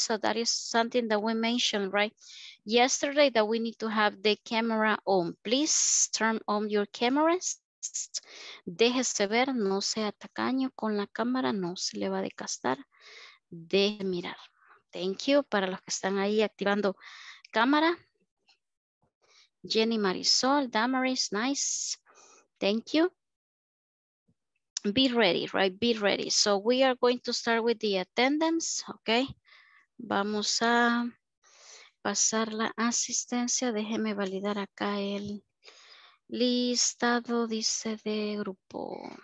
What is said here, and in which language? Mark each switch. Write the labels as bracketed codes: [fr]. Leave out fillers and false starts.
[en] So that is something that we mentioned, right? Yesterday that we need to have the camera on. Please turn on your cameras. [es] Déjese ver, no sea tacaño con la cámara, no se le va a desgastar de mirar. [en] Thank you [es] para los que están ahí activando cámara. [en] Jenny Marisol, Damaris, nice. Thank you. Be ready, right? Be ready. So we are going to start with the attendance, okay? [es] Vamos a pasar la asistencia. Déjeme validar acá el listado, dice de grupo.